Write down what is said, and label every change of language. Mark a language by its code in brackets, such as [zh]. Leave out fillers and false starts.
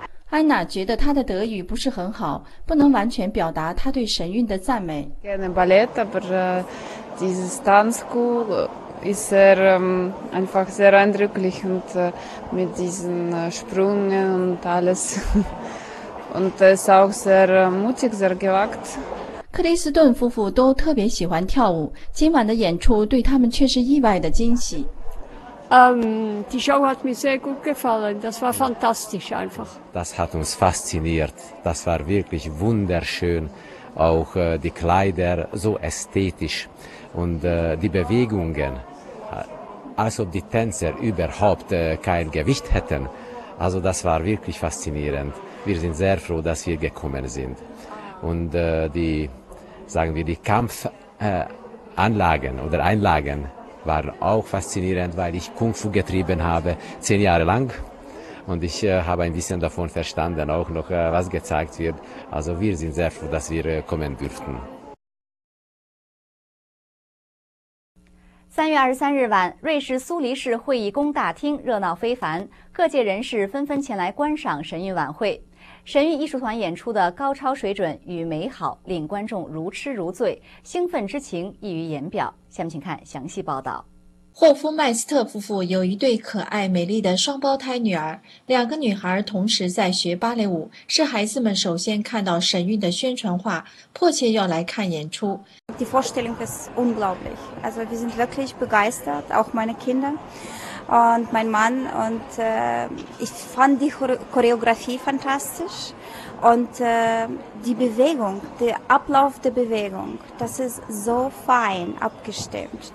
[zh] 安娜觉得她的德语不是很好，不能完全表达她对神韵的赞美。 [de] Gerne Ballett, aber diese Tanzschool ist sehr, einfach sehr eindrücklich und mit diesen Sprüngen und alles. Und es ist auch sehr mutig, sehr gewagt. [zh] 克里斯顿夫妇都特别喜欢跳舞，今晚的演出对他们却是意外的惊喜。 [de] Die Show hat mir sehr gut gefallen. Das war fantastisch einfach. Das hat uns fasziniert. Das war wirklich wunderschön. Auch die Kleider, so ästhetisch. Und die Bewegungen, als ob die Tänzer überhaupt kein Gewicht hätten. Also das war wirklich faszinierend. Wir sind sehr froh, dass wir gekommen sind. Und die Kampfanlagen oder Einlagen waren auch faszinierend, weil ich Kung Fu getrieben habe, 10 Jahre lang. Und ich habe ein bisschen davon verstanden, auch noch was gezeigt wird. Also wir sind sehr froh, dass wir kommen dürften. [zh] 3月23日晚，瑞士苏黎世会议宫大厅热闹非凡，各界人士纷纷前来观赏神韵晚会。神韵艺术团演出的高超水准与美好令观众如痴如醉，兴奋之情溢于言表。下面请看详细报道。霍夫麦斯特夫妇有一对可爱美丽的双胞胎女儿，两个女孩同时在学芭蕾舞，是孩子们首先看到神韵的宣传画，迫切要来看演出。 [de] Die Vorstellung ist unglaublich. Also wir sind wirklich begeistert, auch meine Kinder und mein Mann. Und ich fand die Choreografie fantastisch und die Bewegung, der Ablauf der Bewegung, das ist so fein abgestimmt.